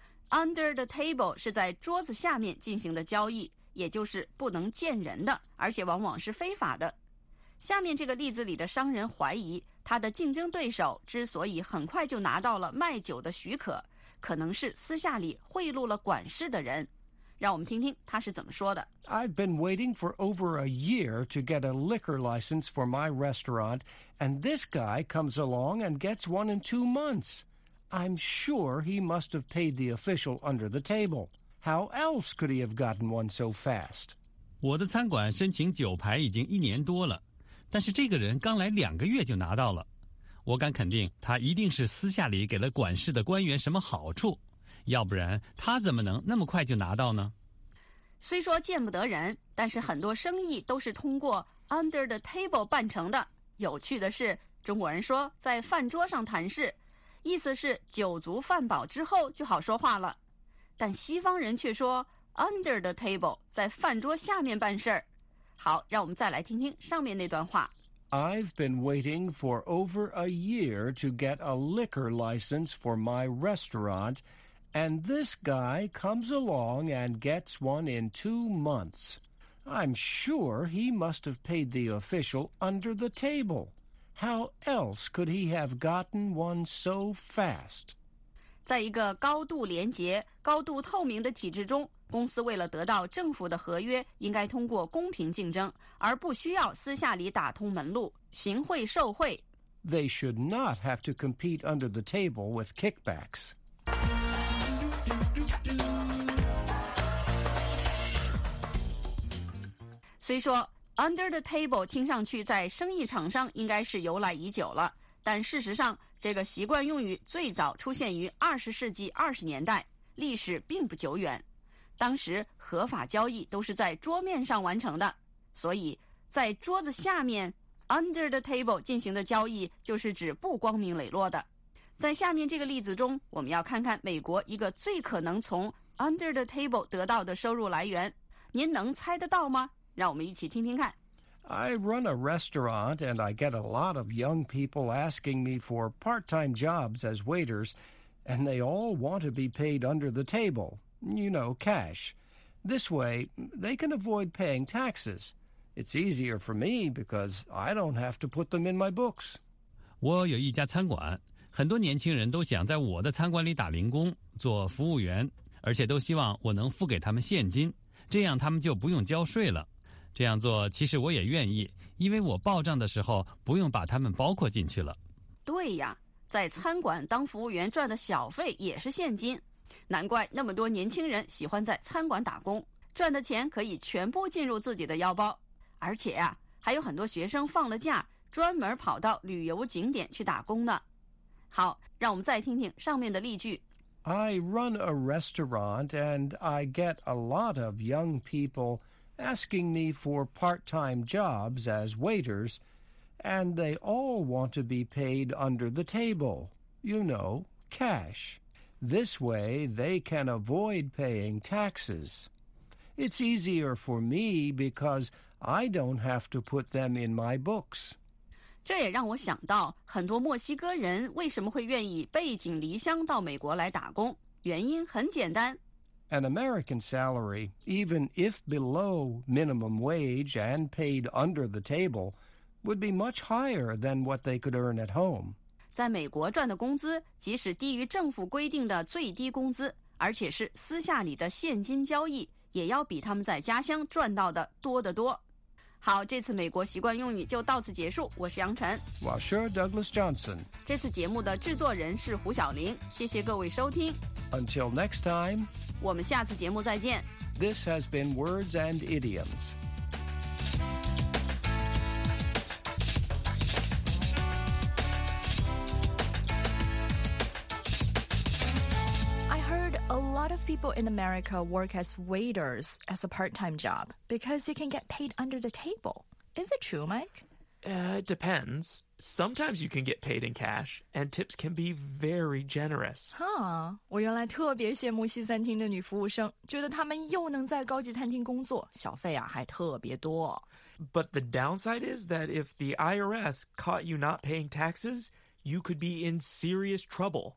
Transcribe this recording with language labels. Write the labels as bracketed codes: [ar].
[zh] Under the table 是在桌子下面进行的交易，也就是不能见人的，而且往往是非法的。下面这个例子里的商人怀疑他的竞争对手之所以很快就拿到了卖酒的许可，可能是私下里贿赂了管事的人。让我们听听他是怎么说的。 [en] I've been waiting for over a year to get a liquor license for my restaurant, and this guy comes along and gets one in 2 months. I'm sure he must have paid the official under the table. How else could he have gotten one so fast? [zh] 我的餐馆申请酒牌已经一年多了，但是这个人刚来两个月就拿到了，我敢肯定他一定是私下里给了管事的官员什么好处，要不然他怎么能那么快就拿到呢？虽说见不得人，但是很多生意都是通过 under the table 办成的。有趣的是，中国人说在饭桌上谈事，意思是酒足饭饱之后就好说话了。但西方人却说 under the table， 在饭桌下面办事儿。好，让我们再来听听上面那段话。 [en] I've been waiting for over a year to get a liquor license for my restaurant, and this guy comes along and gets one in 2 months. I'm sure he must have paid the official under the table. How else could he have gotten one so fast? [zh] 在一个高度廉洁、高度透明的体制中，公司为了得到政府的合约，应该通过公平竞争，而不需要私下里打通门路，行贿受贿。 [en] They should not have to compete under the table with kickbacks. [zh] 虽说 under the table 听上去在生意场上应该是由来已久了，但事实上，这个习惯用语最早出现于20世纪20年代，历史并不久远。当时合法交易都是在桌面上完成的，所以在桌子下面 under the table 进行的交易就是指不光明磊落的。在下面这个例子中，我们要看看美国一个最可能从 under the table 得到的收入来源，您能猜得到吗？让我们一起听听看。 [en] I run a restaurant and I get a lot of young people asking me for part-time jobs as waiters, and they all want to be paid under the tableYou know, cash. This way, they can avoid paying taxes. It's easier for me because I don't have to put them in my books. [zh] 我有一家餐馆，很多年轻人都想在我的餐馆里打零工，做服务员，而且都希望我能付给他们现金，这样他们就不用交税了。这样做其实我也愿意，因为我报账的时候不用把他们包括进去了。对呀，在餐馆当服务员赚的小费也是现金。难怪那么多年轻人喜欢在餐馆打工，赚的钱可以全部进入自己的腰包。而且呀，还有很多学生放了假，专门跑到旅游景点去打工呢。好，让我们再听听上面的例句。 [en] I run a restaurant and I get a lot of young people asking me for part-time jobs as waiters, and they all want to be paid under the table. You know, cash. This way, they can avoid paying taxes. It's easier for me because I don't have to put them in my books. [zh] 这也让我想到，很多墨西哥人为什么会愿意背井离乡到美国来打工？原因很简单。 [en] An American salary, even if below minimum wage and paid under the table, would be much higher than what they could earn at home. [zh] 在美国赚的工资，即使低于政府规定的最低工资，而且是私下里的现金交易，也要比他们在家乡赚到的多得多。好，这次美国习惯用语就到此结束。我是杨晨。 [en] Washer Douglas Johnson。 [zh] 这次节目的制作人是胡晓玲。谢谢各位收听。 [en] Until next time。 [zh] 我们下次节目再见。 [en] This has been Words and Idioms。 A lot of people in America work as waiters as a part-time job because you can get paid under the table. Is it true, Mike? It depends. Sometimes you can get paid in cash, and tips can be very generous. Huh. [zh] 我原来特别羡慕西餐厅的女服务生，觉得她们又能在高级餐厅工作，小费啊还特别多。 [en] But the downside is that if the IRS caught you not paying taxes... You could be in serious trouble.